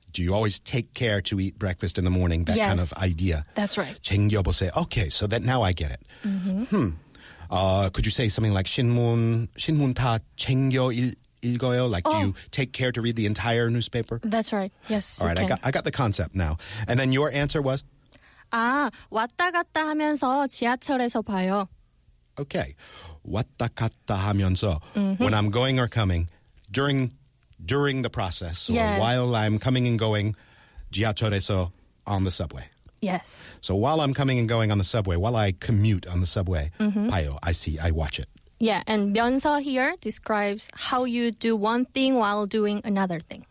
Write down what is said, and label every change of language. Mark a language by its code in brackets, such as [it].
[en] Do you always take care to eat breakfast in the morning? That kind of idea. That's right. [ko] 챙겨보세요. [en] Okay, so that now I get it. Mm-hmm. Hmm. Could you say something like [ko] 신문 다 챙겨 읽어요? [en] Like, do you take care to read the entire newspaper? That's right. Yes. All right. I got the concept now. And then your answer was? [ko] 아, 왔다 갔다 하면서 지하철에서 봐요. [en] Okay. [ko] 왔다 갔다 하면서. Mm-hmm. [en] When I'm going or coming during the process, or while I'm coming and going, [ko] 지하철에서 [en] on the subway. Yes. So while I'm coming and going on the subway, while I commute on the subway, [ko] 봐요, mm-hmm. [en] I watch it. Yeah, and 면서 here describes how you do one thing while doing another thing.